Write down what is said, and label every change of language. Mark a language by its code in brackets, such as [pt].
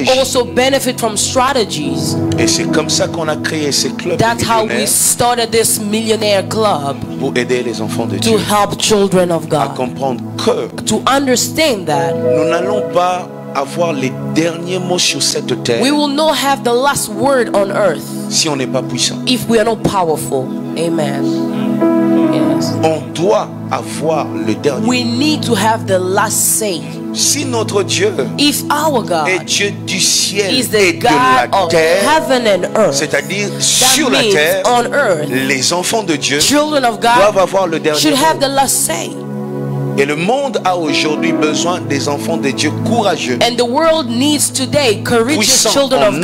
[en] But they can also benefit from strategies. [fr] Et c'est comme ça qu'on a créé ce club. [en] That's how we started this millionaire club. [fr] Pour aider les enfants de [en] to [fr] Dieu. [en] To help children of God. [fr] À comprendre que. [en] To understand that. [fr] Nous n'allons pas avoir les derniers mots sur cette terre. [en] We will not have the last word on earth. [fr] Si on n'est pas puissant. [en] If we are not powerful. Amen. Yes. [fr] On doit avoir le dernier. [en] We need to have the last say. [fr] Si notre Dieu [en] if our God [fr] est Dieu du ciel [en] is the [fr] et [en] God [fr] de la terre, [en] heaven and earth, [fr] c'est-à-dire [en] that [fr] sur [en] means [fr] la terre, [en] on earth, [fr] les enfants de Dieu [en] children of God [fr] doivent avoir le dernier [en] should [fr] mot. [en] Have the last say. [fr] Et le monde a aujourd'hui besoin des enfants de Dieu courageux. [en] And the world needs today courageous children of